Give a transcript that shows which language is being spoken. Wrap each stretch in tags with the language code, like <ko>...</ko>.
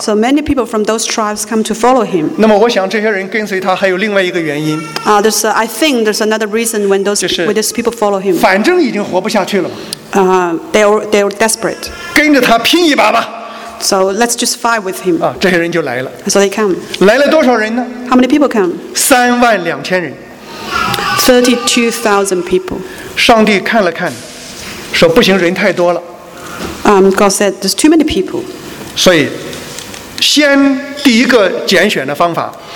<en>So many people from those tribes come to follow him.</en> <zh>那么我想这些人跟随他还有另外一个原因。</zh> <en>I think there's another reason when those people follow him.</en> <zh>反正已经活不下去了嘛。</zh> <en>They're desperate.</en> <zh>跟着他拼一把吧。</zh> <en>So let's just fight with him.</en> <zh>这些人就来了。</zh> <en>So they come.</en> <zh>来了多少人呢</zh> <en>？How many people come?</en> <zh>32,000人。</zh> <en>32,000 people.</en> <zh>上帝看了看。说不行，人太多了。</zh> <en>God said, "There's too many people."</en> <zh>所以，先第一个拣选的方法。</zh>